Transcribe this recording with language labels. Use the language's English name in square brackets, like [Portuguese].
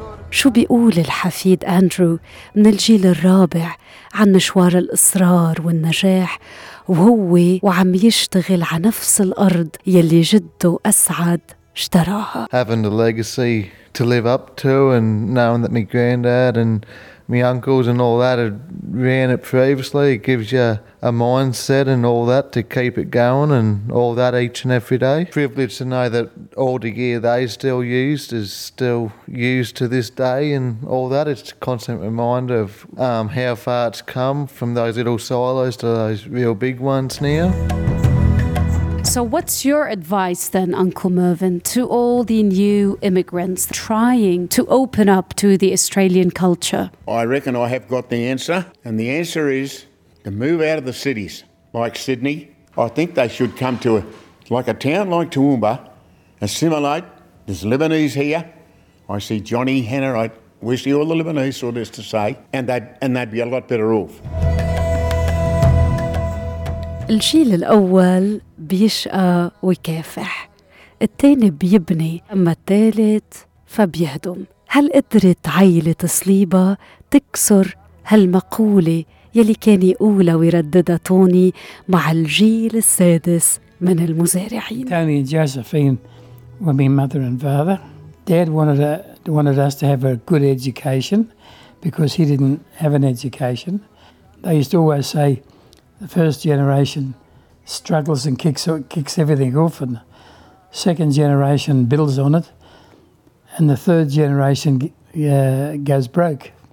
[Arabic] شو بيقول الحفيد أندرو من الجيل الرابع عن مشوار الإصرار والنجاح وهو وعم يشتغل على نفس الأرض يلي جده أسعد اشتراها. [English] Having a legacy to live up to and knowing that my granddad and my uncles and all that had ran it previously, it gives you a mindset and all that to keep it going and all that each and every day. Privileged to know that all the gear they still used is still used to this day and all that. It's a constant reminder of how far it's come from those little silos to those real big ones now. So what's your advice then, Uncle Mervyn, to all the new immigrants trying to open up to the Australian culture? I reckon I have got the answer. And the answer is to move out of the cities like Sydney. I think they should come to a town like Toowoomba, assimilate. There's Lebanese here. I see Johnny Hannah. I wish you all the Lebanese all this to say. And they'd be a lot better off. [Arabic] الجيل الأول بيشقى ويكافح، التاني بيبني، أما التالت فبيهدم. هل قدرت عيلة صليبة تكسر هالمقولة يلي كان يقولا ويرددها توني مع الجيل السادس من المزارعين؟ [English] Tony and Josephine were my mother and father. Dad wanted us to have a good education because he didn't have an education. They used to always say the first generation struggles and kicks everything off, and second generation builds on it, and the third generation goes broke.